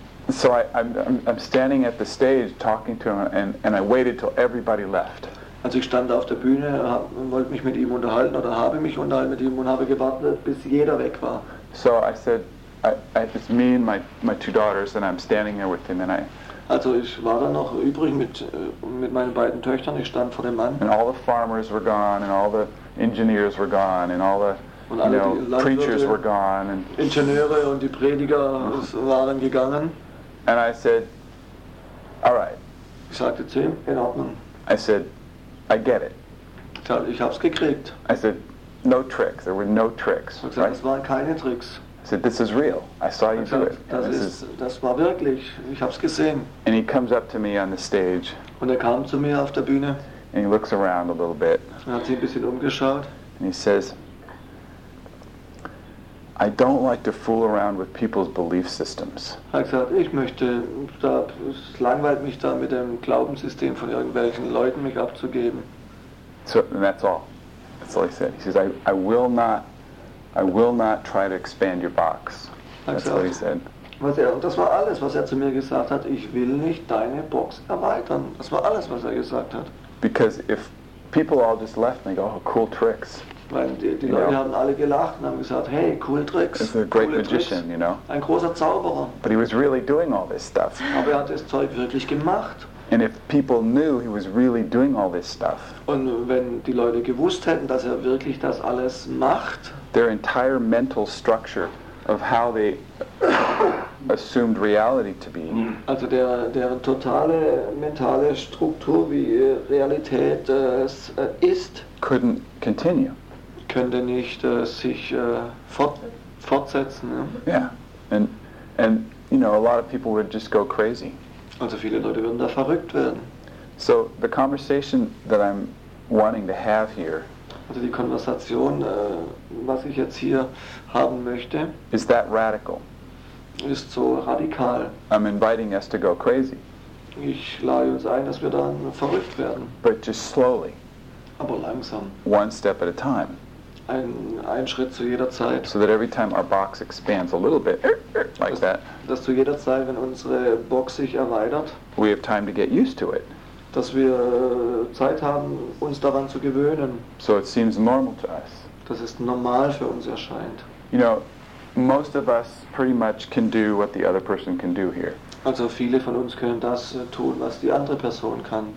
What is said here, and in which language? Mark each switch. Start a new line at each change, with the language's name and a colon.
English: So I'm standing at the stage talking to him and I waited till everybody left.
German: Also ich stand auf der Bühne und wollte mich mit ihm unterhalten oder habe mich unterhalten mit ihm und habe gewartet, bis jeder weg war.
English: So I said, it's me and my two daughters and I'm standing there with him and I.
German: Also ich war dann noch übrig mit meinen beiden Töchtern. Ich stand vor dem Mann.
English: And all the farmers were gone and all the engineers were gone and all the preachers were gone and.
German: Ingenieure und die Prediger waren gegangen.
English: And I said, all right.
German: Ich sagte zu ihm, in Ordnung.
English: I said, I get it.
German: Ich hab's gekriegt.
English: I said, no tricks. There were no tricks.
German: Ich sagte, es waren keine Tricks.
English: I said, this is real. I saw you do it.
German: Das war wirklich. Ich hab's gesehen.
English: And he comes up to me on the stage.
German: Und kam zu mir auf der Bühne.
English: And he looks around a little bit.
German: Er hat sich ein bisschen umgeschaut.
English: And he says, I don't like to fool around with people's belief systems.
German: Er hat gesagt, ich möchte, es langweilt mich da mit dem Glaubenssystem von irgendwelchen Leuten mich abzugeben.
English: So, and that's all. That's all he said. He says, I will not try to expand your box. That's what he said.
German: Das war alles, was er zu mir gesagt hat. Ich will nicht deine Box erweitern. Das war alles, was er gesagt hat.
English: Because if people all just left and go, oh, cool tricks.
German: Weil die Leute haben alle gelacht und haben gesagt, hey, cool Tricks.
English: It's a great magician, you know.
German: Ein großer Zauberer.
English: But he was really doing all this stuff.
German: Aber er hat das Zeug wirklich gemacht.
English: And if people knew he was really doing all this stuff.
German: Und wenn die Leute gewusst hätten, dass er wirklich das alles macht.
English: Their entire mental structure of how they assumed reality to be.
German: Also deren totale mentale Struktur, wie Realität ist.
English: Couldn't continue.
German: Könnte nicht sich fortsetzen. Ja?
English: Yeah, and you know, a lot of people would just go crazy.
German: Also viele Leute würden da verrückt werden.
English: So the conversation that I'm wanting to have here.
German: Also die Konversation, was ich jetzt hier haben möchte.
English: Is that radical?
German: Ist so radikal.
English: I'm inviting us to go crazy.
German: Ich lade uns ein, dass wir dann verrückt werden.
English: But just slowly.
German: Aber langsam.
English: One step at a time.
German: Ein Schritt zu jeder Zeit.
English: So that every time our box expands a little bit, like
German: dass,
English: that.
German: Dass zu jeder Zeit, wenn unsere Box sich erweitert.
English: We have time to get used to it.
German: Dass wir Zeit haben, uns daran zu gewöhnen.
English: So it seems normal to us.
German: Das ist normal für uns erscheint.
English: You know, most of us pretty much can do what the other person can do here.
German: Also viele von uns können das tun, was die andere Person kann.